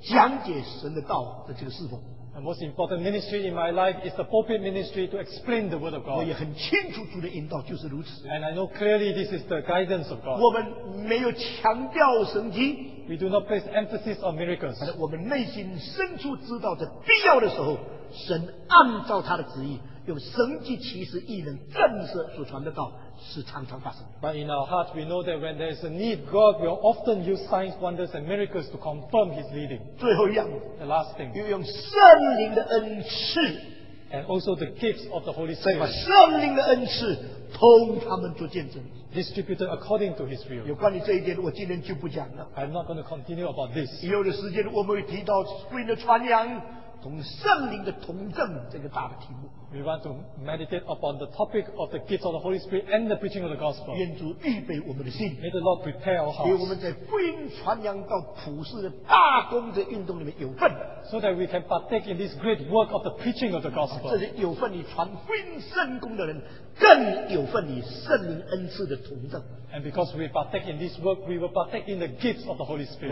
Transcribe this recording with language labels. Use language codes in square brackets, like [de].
[zh] 我一生的侍奉最重要的是讲台传讲真理讲解神的道的这个侍奉。 [en] The most important ministry in my life is the pulpit ministry to explain the word of God. [zh] 我也很清楚主的引导就是如此。 [en] And I know clearly this is the guidance of God. [zh] 我们没有强调神迹, [en] we do not place emphasis on miracles. [zh] 但是我们内心深处知道的必要的时候, 神按照他的旨意, 用神迹奇事异能震慑所传的道, 是常常发生的。 [en] But in our hearts, we know that when there is a need, God will often use signs, wonders, and miracles to confirm His leading. [zh] 最后一样, [en] the last thing, [zh] 又用圣灵的恩赐, [en] and also the gifts of the Holy Spirit. [zh] 圣灵的恩赐, 同他们做见证, [en] distributed according to His will. [zh] 有关于这一点, 我今天就不讲了。 [en] I'm not going to continue about this. [zh] 以后的时间我们会提到 福音的传扬, 同圣灵的同证这个大的题目。 [en] We want to meditate upon the topic of the gifts of the Holy Spirit and the preaching of the gospel. [zh] 愿主预备我们的心, [en] may the Lord prepare our hearts. [zh] 给我们在福音传扬到普世的大工的运动里面有份, [en] so that we can partake in this great work of the preaching of the gospel. [zh] 这是有份你传福音圣工的人, 更有份你圣灵恩赐的同证。 [en] And because we partake in this work, we will partake in the gifts of the Holy Spirit.